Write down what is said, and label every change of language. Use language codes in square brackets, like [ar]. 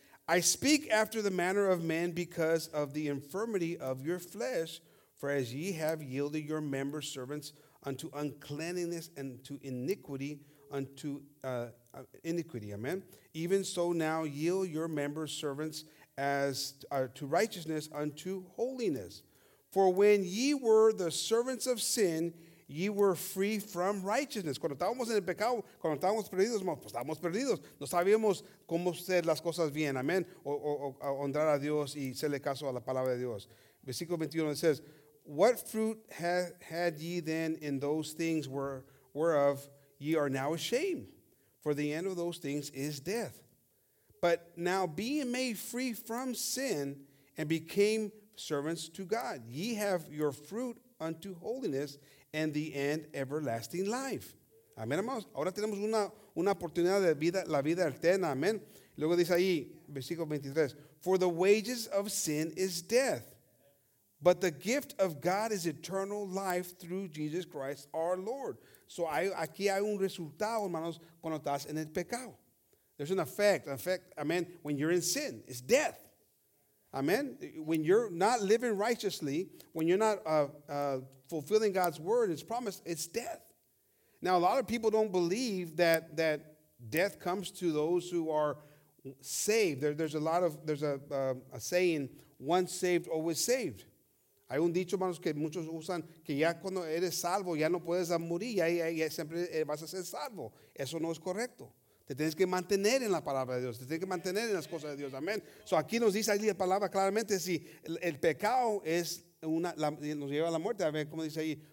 [en] I speak after the manner of men because of the infirmity of your flesh, for as ye have yielded your members servants unto uncleanness and to iniquity, amen. Even so now yield your members servants as to righteousness unto holiness. For when ye were the servants of sin, ye were free from righteousness. [es] Cuando estábamos en el pecado, cuando estábamos perdidos, pues estábamos perdidos. No sabíamos cómo hacer las cosas bien, amén. O honrar a Dios y hacerle caso a la palabra de Dios. [en] Versículo 21 says, what fruit had ye then in those things whereof ye are now ashamed? For the end of those things is death. But now being made free from sin and became servants to God, ye have your fruit unto holiness and the end everlasting life. [es] Amén, hermanos. Ahora tenemos una oportunidad de vida, la vida eterna. [en] Amén. [es] Luego dice ahí, versículo 23, [en] for the wages of sin is death, but the gift of God is eternal life through Jesus Christ our Lord. [es] So aquí hay un resultado, hermanos, cuando estás en el pecado. [en] There's an effect. Amén. When you're in sin, it's death. Amen. When you're not living righteously, when you're not fulfilling God's word, His promise, it's death. Now, a lot of people don't believe that death comes to those who are saved. There's a saying, once saved, always saved. [es] Hay un dicho, hermanos, que muchos usan, que ya cuando eres salvo, ya no puedes morir, ya siempre vas a ser salvo. Eso no es correcto. Te tienes que mantener en la palabra de Dios. Te tienes que mantener en las cosas de Dios. Amén. So aquí nos dice ahí la palabra claramente. Si el pecado es nos lleva a la muerte. A ver cómo dice ahí.